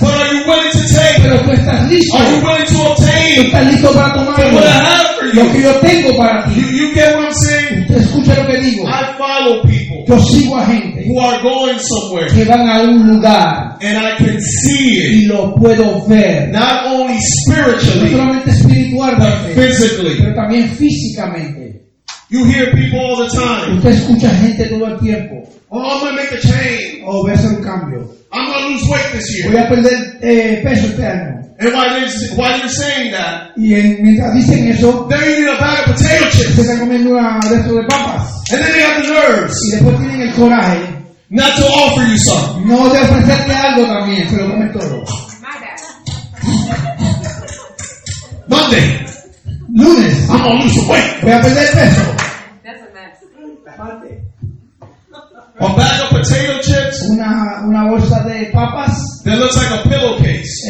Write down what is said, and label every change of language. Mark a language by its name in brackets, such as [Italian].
[English] But are you willing to take? [Spanish] Pero tú estás listo. [English] Are you willing to obtain? [Spanish] ¿Tú estás listo para tomarlo? [English] Have for you. [Spanish] Lo que yo tengo para ti. [English] You get what I'm saying? [Spanish] Usted escucha lo que digo. [English] I follow people. [Spanish] Yo sigo a gente. [English] Who are going somewhere. [Spanish] Que van a un lugar. [English] And I can see it. [Spanish] Y lo puedo ver. [English] Not only spiritually. [Spanish] No solamente espiritualmente. [English] But physically. [Spanish] Pero también físicamente. [English] You hear people all the time. [Spanish] Usted escucha gente todo el tiempo. [English] Oh, I'm gonna make a change. [Spanish] Oh, voy a hacer un cambio. [English] I'm gonna lose weight this year. [Spanish] Voy a perder peso este año. [English] And while you're saying that, [Spanish] y mientras dicen eso, [English] they're eating a bag of potato chips. [Spanish] Se están comiendo una de estos de papas. [English] And then they have the nerves. [Spanish] Y después tienen el coraje. [English] Not to offer you some. [Spanish] No de ofrecerte algo también, pero come todo. [English] My bad. Monday. [Spanish] Lunes. [English] I'm gonna lose some weight. [Spanish] Voy a perder peso. [English] A bag of potato chips. [Spanish] Una bolsa de papas. [English] That looks like a pillowcase.